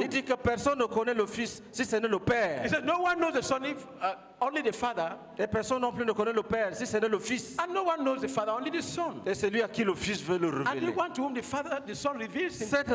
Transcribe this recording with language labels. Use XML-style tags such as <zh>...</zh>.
<fr>Il dit que personne ne connaît le Fils si ce n'est le Père.</fr> <en>He says, no one knows the Son if only the Father.</en> <fr>Et personne non plus ne connaît le Père si ce n'est le Fils.</fr> <en>And no one knows the Father, only the Son.</en> <fr>Et c'est lui à qui le Fils veut le révéler.</fr> <en>And the one to whom the Father, the Son reveals him.</en>